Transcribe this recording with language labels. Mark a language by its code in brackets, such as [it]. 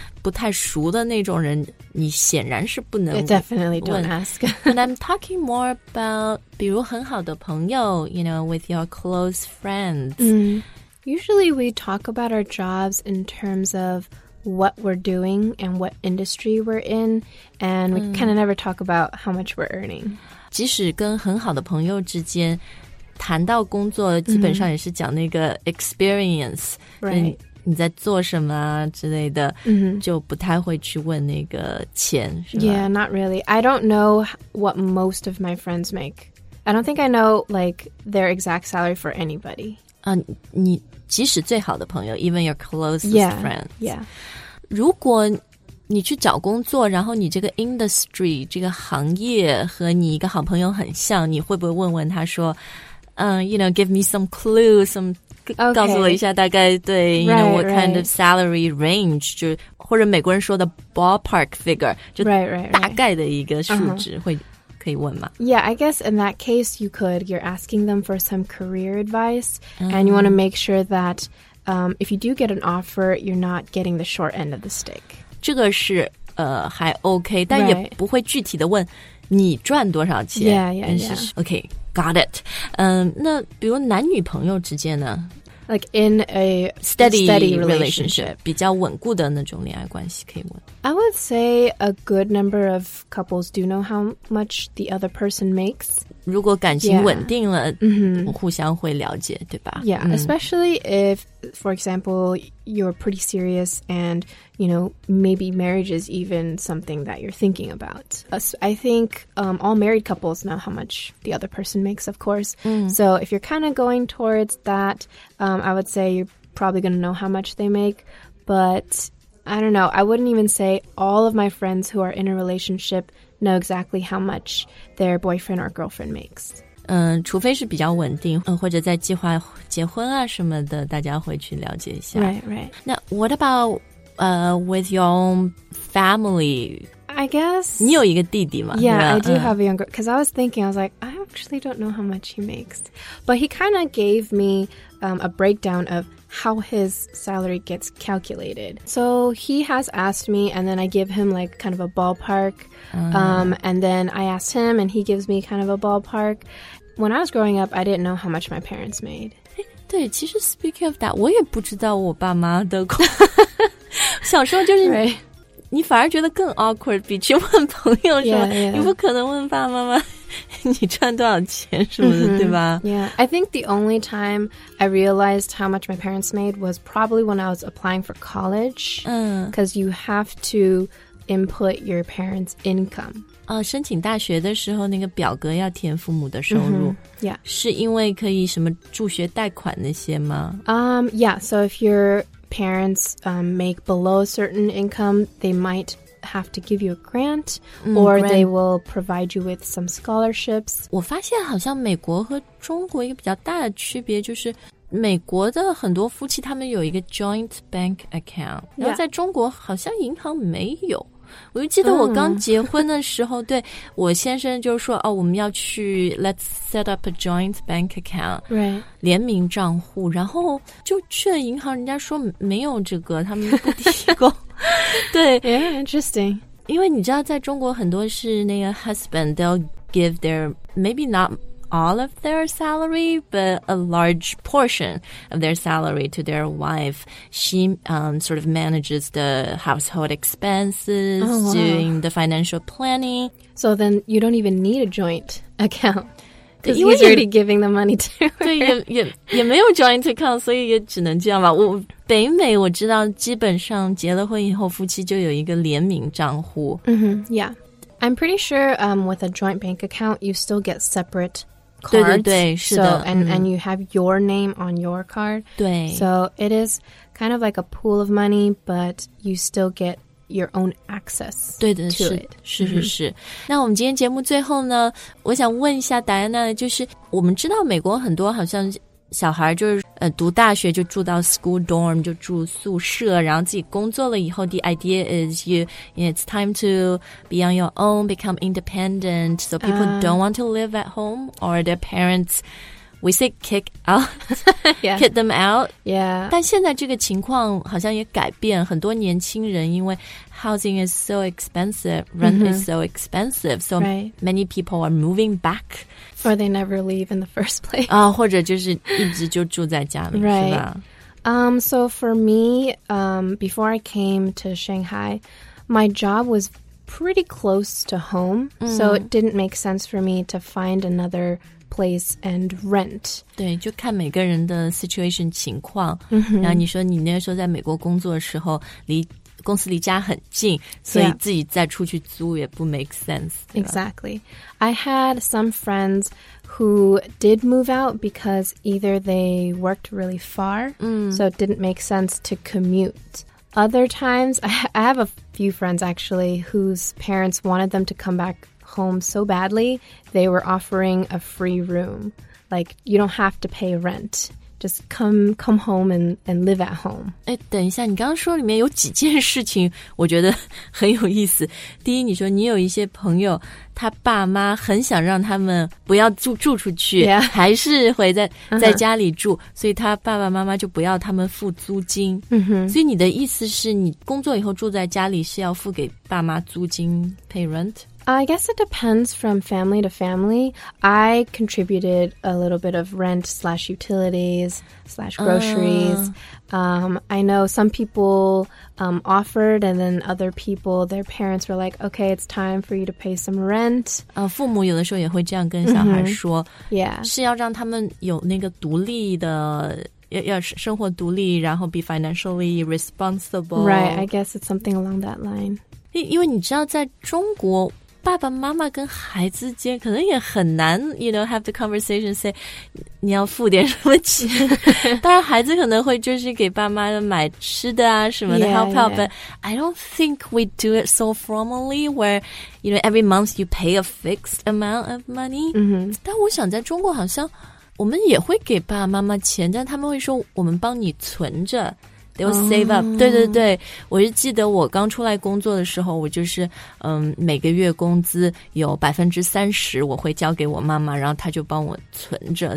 [zh] 不太熟的那种人你显然是不能问。 [en] I definitely don't ask. And I'm talking more about [zh] 比如很好的朋友 [en] you know, with your close friends.、 Mm-hmm. Usually we talk about our jobs in terms of what we're doing and what industry we're in, and we kind of never talk about how much we're earning. [zh] 即使跟很好的朋友之间谈到工作基本上也是讲那个 experience, [en] right. [zh] 你在做什么之类的、 mm-hmm. 就不太会去问那个钱是吧 [en] Yeah, not really. I don't know what most of my friends make. I don't think I know like their exact salary for anybody. [zh] 你即使最好的朋友 [en] even your closest yeah, friends yeah. [zh] 如果你去找工作然后你这个 industry 这个行业和你一个好朋友很像你会不会问问他说 [en] you know, give me some clue some、 okay. [zh] 告诉我一下大概对 [en] you know, what kind right. of salary range [zh] 就或者美国人说的 ballpark figure 就 [en] right, right, right. [zh] 大概的一个数值、uh-huh. 会可以问吗? [en] Yeah, I guess in that case, you could. You're asking them for some career advice, and you want to make sure that if you do get an offer, you're not getting the short end of the stick. [zh] 这个是还 OK, 但也不会具体的问你赚多少钱。 [en] Yeah, yeah, yeah. Okay, got it. [zh] 那比如男女朋友之间呢? [en] Like in a steady relationship. [zh] 比较稳固的那种恋爱关系可以问。 [en] I would say a good number of couples do know how much the other person makes. [zh] 如果感情稳定了、 [en] yeah. mm-hmm. [zh] 互相会了解对吧 [en] Yeah,、mm. especially if, for example, you're pretty serious and, you know, maybe marriage is even something that you're thinking about. I think、all married couples know how much the other person makes, of course.、 Mm. So if you're kind of going towards that,、I would say you're probably going to know how much they make. But... I don't know. I wouldn't even say all of my friends who are in a relationship know exactly how much their boyfriend or girlfriend makes. [zh] 除非是比较稳定，或者在计划结婚啊什么的，大家会去了解一下。 [en] Right, right. Now, what about, with your own family? I guess. [zh] 你有一个弟弟吗 [en] Yeah, I do have a younger. Because I was thinking, I was like, I actually don't know how much he makes. But he kind of gave me, a breakdown of. How his salary gets calculated. So he has asked me, and then I give him like kind of a ballpark. And then I asked him, and he gives me kind of a ballpark. When I was growing up, I didn't know how much my parents made. [zh] 对，其实 [en] speaking of that, [zh] 我也不知道我爸妈的工。小时候就是 [en] right. [zh] 你反而觉得更 awkward， 比去问朋友什么， [en] yeah, yeah. [zh] 你不可能问爸妈吗？你赚多少钱什么的、mm-hmm. 对吧 [en] Yeah, I think the only time I realized how much my parents made was probably when I was applying for college. Because you have to input your parents' income. [zh] 申请大学的时候那个表格要填父母的收入、 [en] mm-hmm. Yeah. [zh] 是因为可以什么助学贷款那些吗 [en] Yeah, so if your parents make below a certain income, they mightHave to give you a grant, or they will provide you with some scholarships. [zh] 我发现好像美国和中国一个比较大的区别就是美国的很多夫妻他们有一个 joint bank account, 然后在中国好像银行没有。我就记得我刚结婚的时候、对我先生就说哦，我们要去 [en] let's set up a joint bank account、 right. [zh] 联名账户然后就去了银行人家说没有这个他们不提供对 [en] yeah, interesting [zh] 因为你知道在中国很多是那个 [en] husband they'll give their maybe not all of their salary but a large portion of their salary to their wife she sort of manages the household expenses、 oh, wow. doing the financial planning so then you don't even need a joint account because he's already giving the money to her [zh] 对 也没有 joint account 所以也只能这样吧我北美我知道基本上结了婚以后夫妻就有一个联名账户、 mm-hmm. [en] yeahI'm pretty sure with a joint bank account, you still get separate cards. [zh] 对对对是的 [en] so, and you have your name on your card. [zh] 对 [en] So it is kind of like a pool of money, but you still get your own access [zh] 对的 [en] to [zh] 是 [en] it. [zh] 是是是、mm-hmm. 那我们今天节目最后呢我想问一下达安娜就是我们知道美国很多好像小孩就是读大学就住到 school dorm, 就住宿舍然后自己工作了以后 [en] the idea is it's time to be on your own, become independent, so people don't want to live at home or their parents, we say kick out, yeah. kick them out. Yeah. 但现在这个情况好像也改变很多年轻人因为 housing is so expensive, rent、 mm-hmm. is so expensive, so、 right. many people are moving back. Or they never leave in the first place. [zh] 或者就是一直就住在家里 [en] right. [zh] 是吧 [en] So for me, before I came to Shanghai, my job was pretty close to home. Mm. So it didn't make sense for me to find another place and rent. [zh] 对就看每个人的 situation 情况、 mm-hmm. 然后你说你那时候在美国工作的时候离公司离家很近所以自己再出去租也不 make sense、 [en] yeah. Exactly I had some friends who did move out because either they worked really far、so it didn't make sense to commute Other times I have a few friends actually whose parents wanted them to come back home so badly they were offering a free room like you don't have to pay rentJust come home and live at home. [zh] 等一下，你刚刚说里面有几件事情，我觉得很有意思。第一，你说你有一些朋友，他爸妈很想让他们不要住出去， [en] yeah. [zh] 还是会在家里住， uh-huh. 所以他爸爸妈妈就不要他们付租金。 Mm-hmm. 所以你的意思是你工作以后住在家里是要付给爸妈租金 ，pay rent？ [en] I guess it depends from family to family. I contributed a little bit of rent slash utilities slash groceries. I know some people offered and then other people, their parents were like, okay, it's time for you to pay some rent. [zh] 父母有的时候也会这样跟小孩说、 [en] mm-hmm. yeah. [zh] 是要让他们有那个独立的要生活独立然后 [en] be financially responsible. Right, I guess it's something along that line. [zh] 因为你知道在中国爸爸妈妈跟孩子间可能也很难 [en] you know, have the conversation say [zh] 你要付点什么钱当然孩子可能会就是给爸妈买吃的啊什么的 [en] yeah, help out yeah. but I don't think we do it so formally where you know, every month you pay a fixed amount of money、 mm-hmm. [zh] 但我想在中国好像我们也会给爸爸妈妈钱但他们会说我们帮你存着 [en] They'll save up.、 Oh. [zh] 对对对，我就记得我刚出来工作的时候，我就是每个月工资有30%我会交给我妈妈，然后她就帮我存着。